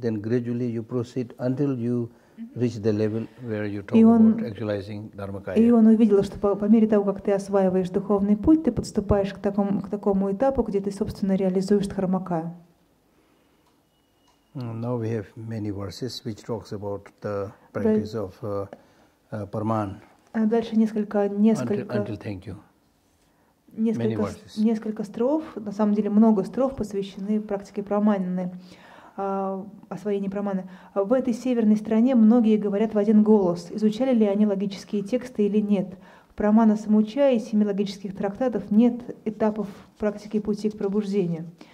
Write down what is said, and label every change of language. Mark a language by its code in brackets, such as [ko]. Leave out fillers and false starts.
[en] then gradually you proceed until you mm-hmm. reach the level where you talk about actualizing Dharmakaya. [ru] И он увидел, что по мере того, как ты осваиваешь духовный путь, ты подступаешь к такому этапу, где ты, собственно, реализуешь Дхармакаю. [en] Now we have many verses which talks about the practice of Parman. [ru] Дальше несколько... Until thank you. Несколько строф, на самом деле много строф, посвящены практике прамананы, освоению праманы. В этой северной стране многие говорят в один голос, изучали ли они логические тексты или нет. Прамана Самучая и семи логических трактатов нет этапов практики пути к пробуждению.